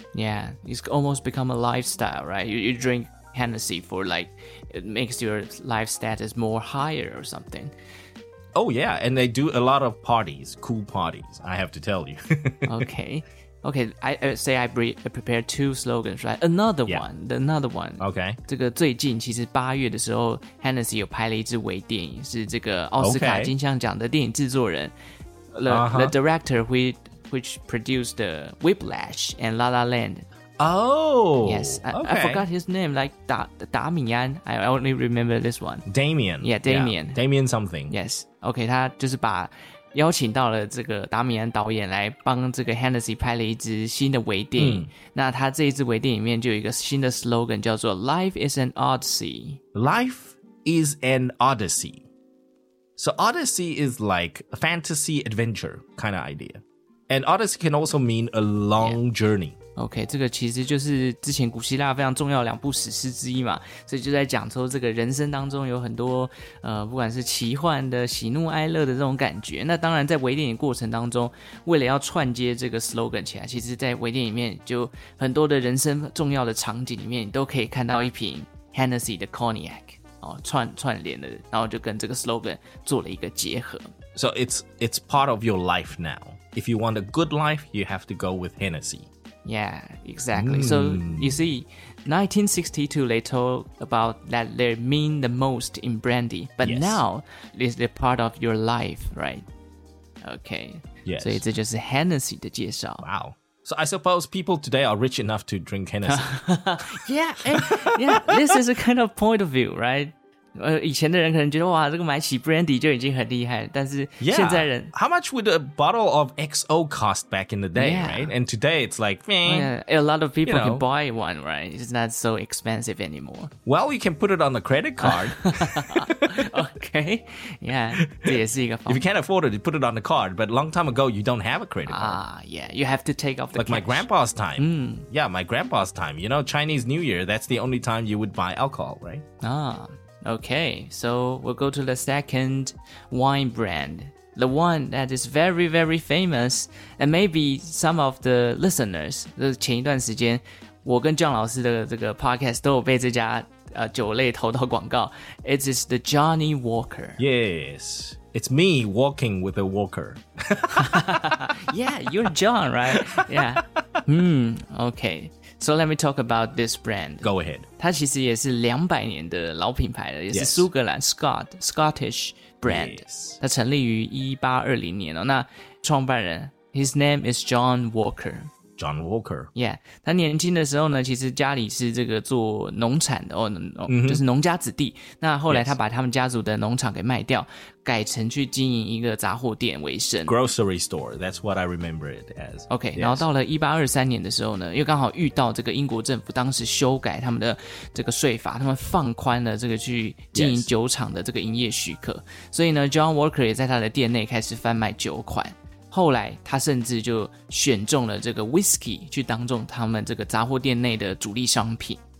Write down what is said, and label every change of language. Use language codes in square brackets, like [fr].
[en] Yeah, it's almost become a lifestyle, right? You drink Hennessy for like, it makes your life status more higher or something. Oh, yeah, and they do a lot of parties, cool parties, I have to tell you. Okay, I prepared two slogans, right? Another one. Okay. [zh] 这个最近其实八月的时候 ,Hennessy 有拍了一支微电影，是这个奥斯卡金像奖的电影制作人。 [en] Okay. The director which produced the Whiplash and La La Land. Oh! Yes, okay. I forgot his name, like Damian. I only remember this one. Damian. Yeah, Damian. Yeah. Damian something. Yes. [zh] Okay, 他就是把邀请到了这个达米安导演来帮这个 Hennessy 拍了一支新的微电影。那他这一支微电影里面就有一个新的 slogan 叫做 [en] Life is an Odyssey. Life is an Odyssey. So Odyssey is like a fantasy adventure kind of idea. And Odyssey can also mean a long journey. [zh] OK, 这个其实就是之前古希腊非常重要的两部史诗之一嘛。所以就在讲说这个人生当中有很多不管是奇幻的喜怒哀乐的这种感觉。那当然在微电影过程当中，为了要串接这个 slogan 起来，其实在微电影里面就很多的人生重要的场景里面你都可以看到一瓶 Hennessy 的 Cognac,、哦、串联的，然后就跟这个 slogan 做了一个结合。 [en] So it's part of your life now. If you want a good life, you have to go with Hennessy. Yeah, exactly. So you see, 1962, they talk about that they mean the most in brandy. But now, it's a part of your life, right? Okay. Yes. So it's just Hennessy [zh] 的介绍。 [en] Wow. So I suppose people today are rich enough to drink Hennessy. yeah, this is a kind of point of view, right? [zh] 以前的人可能觉得哇，这个买起 brandy 就已经很厉害，但是现在人 [en] yeah, ，How much would a bottle of XO cost back in the day, right? And today it's like, a lot of people can buy one, right? It's not so expensive anymore. Well, you can put it on the credit card. [zh] okay, yeah, 这也是一个方法。 [en] If you can't afford it, you put it on the card. But long time ago, you don't have a credit card. Ah, yeah, you have to take off the like cash. My grandpa's time. My grandpa's time. You know, Chinese New Year. That's the only time you would buy alcohol, right? Ah. Okay, so we'll go to the second wine brand. The one that is very, very famous. And maybe some of the listeners, [zh] 前一段时间我跟 John 老师的这个 podcast 都有被这家酒类投到广告。 [en] It is the Johnny Walker. Yes, it's me walking with a walker. Yeah, you're John, right? Yeah. Hmm. Okay. So let me talk about this brand. Go ahead. [zh] 它其实也是200年的老品牌了，也是苏格兰 [en] Scottish brand. Yes. [zh] 它成立于1820年哦。那创办人 ， [en] His name is John Walker. John Walker. [zh] Yeah, 他年轻的时候呢，其实家里是这个做农产的哦，就是农家子弟。那后来他把他们家族的农场给卖掉，改成去经营一个杂货店为生。 [en] Grocery store, that's what I remember it as. OK,、yes. [zh] 然后到了1823年的时候呢，又刚好遇到这个英国政府当时修改他们的这个税法，他们放宽了这个去经营酒厂的这个营业许可。 [en] Yes. [zh] 所以呢 ,John Walker 也在他的店内开始贩卖酒款。后来他甚至就选中了这个 whiskey 去当中他们这个杂货店内的主力商品。